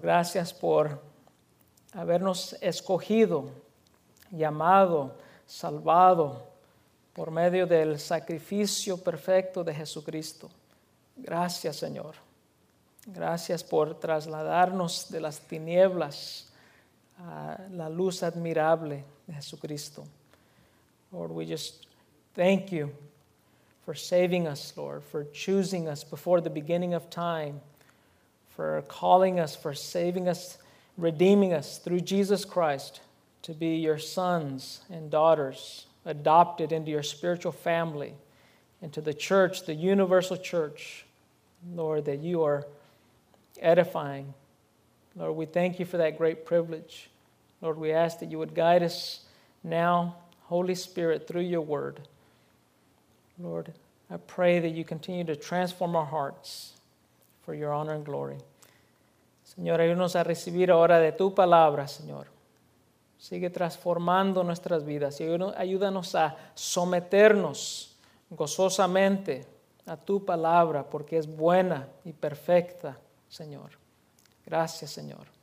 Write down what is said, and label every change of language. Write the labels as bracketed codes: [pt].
[es] Gracias por habernos escogido, llamado, salvado por medio del sacrificio perfecto de Jesucristo. Gracias, Señor. Gracias por trasladarnos de las tinieblas a la luz admirable de Jesucristo. [en] Lord, we just thank you for saving us, Lord, for choosing us before the beginning of time, for calling us, for saving us, redeeming us through Jesus Christ to be your sons and daughters, adopted into your spiritual family, into the church, the universal church, Lord, that you are edifying. Lord, we thank you for that great privilege. Lord, we ask that you would guide us now, Holy Spirit, through your word. Lord, I pray that you continue to transform our hearts for your honor and glory. [es] Señor, ayúdanos a recibir ahora de tu palabra, Señor. Sigue transformando nuestras vidas y ayúdanos a someternos gozosamente a tu palabra porque es buena y perfecta, Señor. Gracias, Señor.